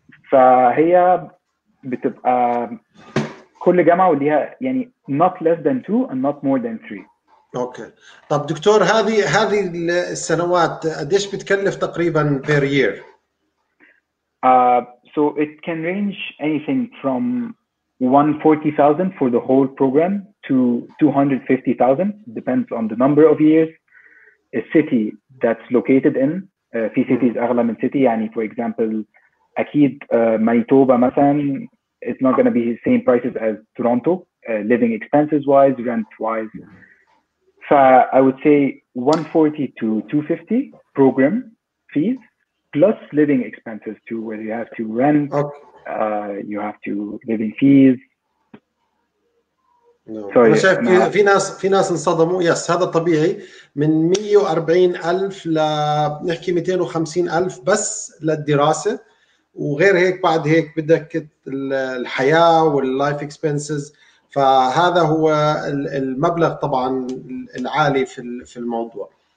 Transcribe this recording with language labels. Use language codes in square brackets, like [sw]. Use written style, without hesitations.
[ar] فهي بتبقى كل جامعة وليها يعني [en] not less than 2 and not more than 3. Okay. [ar] طب دكتور هذه السنوات قديش بتكلف تقريبا per year؟ [en] So it can range anything from 140,000 for the whole program to 250,000, depends on the number of years, a city that's located in. [ar] في cities أغلى من city, يعني [en] for example أكيد Manitoba مثلا it's not going to be the same prices as Toronto, living expenses wise, rent wise. So I would say 140 to 250 program fees plus living expenses too, where you have to rent, you have to living fees. No. [ar] Sorry, أنا شايف في ناس انصدموا. يس, هذا طبيعي. من 140,000 لنحكي 250,000 بس للدراسة, وغير هيك بعد هيك بدك الحياة واللايف اكسبنسز. فهذا هو المبلغ طبعا العالي في الموضوع.